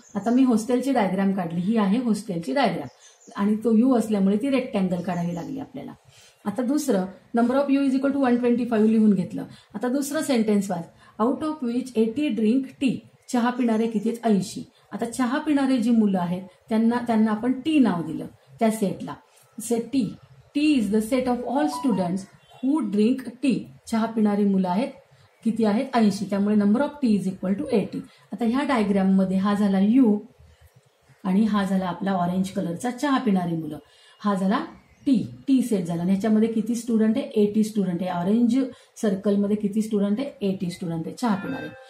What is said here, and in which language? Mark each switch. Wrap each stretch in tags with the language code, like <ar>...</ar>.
<mr>आता मी हॉस्टेलची डायग्राम काढली, ही आहे हॉस्टेलची डायग्राम आणि तो यू असल्यामुळे ती रेक्टँगल काढावी लागली आपल्याला.</mr> <en>आता दुसरं, number of U is equal to 125</en> <mr>लिहून घेतलं. आता दुसरं sentence watch,</mr> <en>Out of which 80 drink tea.</en> <mr>चहा पिणारे किती आहेत, 80. आता चहा पिणारे जी मुलं आहेत त्यांना आपण टी नाव दिलं त्या सेटला.</mr> <en>Set T, T is the set of all students who drink tea.</en> <mr>चहा पिणारी मुलं आहेत किती आहेत, 80. त्यामुळे</mr> <en>Number of T is equal to 80.</en> <mr>आता ह्या डायग्राममध्ये हा झाला यू आणि हा झाला आपला ऑरेंज कलरचा चहा पिणारी मुलं, हा झाला टी सेट झाला. ह्याच्यामध्ये किती स्टुडंट आहे, 80 स्टुडंट आहे. ऑरेंज सर्कलमध्ये किती स्टुडंट आहे, 80 स्टुडंट आहे चहा पिणारे.</mr>